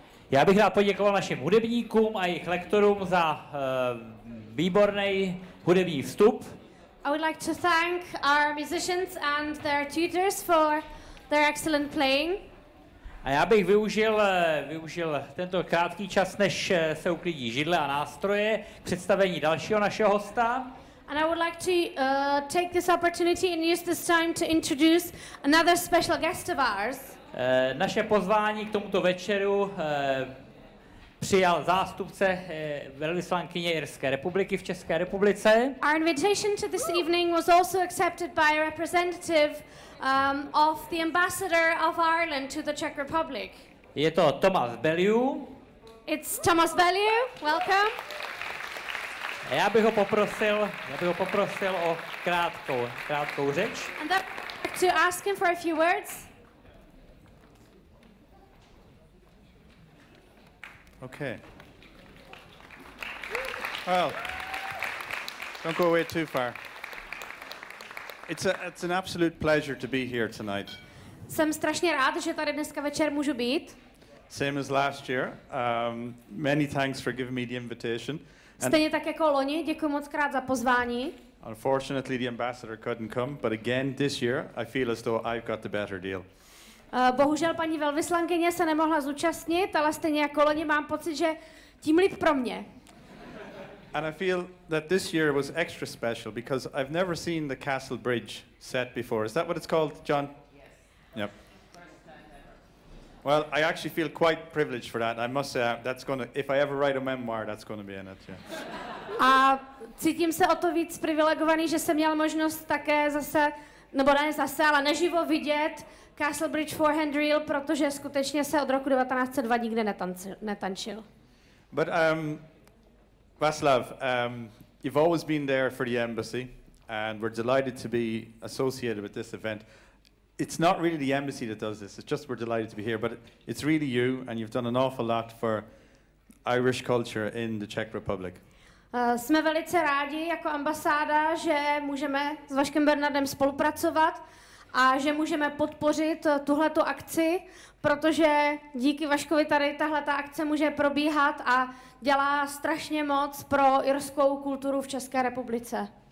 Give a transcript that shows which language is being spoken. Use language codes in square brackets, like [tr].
[cs] Já bych rád poděkoval našim hudebníkům a jejich lektorům za výborný hudební vstup. [en] I would like to thank our musicians and their tutors for their excellent playing. [cs] A já bych využil tento krátký čas, než se uklidí židle a nástroje, k představení dalšího našeho hosta. [en] And I would like to take this opportunity and use this time to introduce another special guest of ours. [cs] Naše pozvání k tomuto večeru přijal zástupce velvyslankyně Irské republiky v České republice. [en] Our invitation to this evening was also accepted by a representative of the ambassador of Ireland to the Czech Republic. [cs] Je to Tomáš Beliu. [en] It's Tomáš Beliu. Welcome. [cs] Já bych ho poprosil o krátkou řeč. [en] And then I'd like to ask him for a few words. Okay. Well, don't go away too far. It's an absolute pleasure to be here tonight. [cs] Jsem strašně rád, že tady dneska večer můžu být. [en] Same as last year. Many thanks for giving me the invitation. [cs] Stejně tak jako loni, děkuji moc krát za pozvání. [en] Unfortunately, the ambassador couldn't come, but again this year I feel as though I've got the better deal. [cs] Bohužel paní velvyslankyně se nemohla zúčastnit, ale stejně jako loni mám pocit, že tím líp pro mě. [en] And I feel that this year was extra special because I've never seen the Castle Bridge set before. Is that what it's called, John? Yes. Yep. Well, I actually feel quite privileged for that. I must say if I ever write a memoir, that's going to be in it. Yeah. [cs] A cítím se o to víc privilegovaný, že jsem měl možnost také zase, nebo ne zase, ale naživo vidět Castle Bridge forehand reel, protože skutečně se od roku 1902 nikde netančil. [en] But Václav, you've always been there for the embassy and we're delighted to be associated with this event. It's not really the embassy that does this, it's just we're delighted to be here, but it's really you and you've done an awful lot for Irish culture in the Czech Republic. [cs] Jsme velice rádi jako ambasáda, že můžeme s Vaškem Bernardem spolupracovat a že můžeme podpořit tuhletu akci, protože díky Vaškovi tady tahleta akce může probíhat a dělá strašně moc pro irskou kulturu v České republice.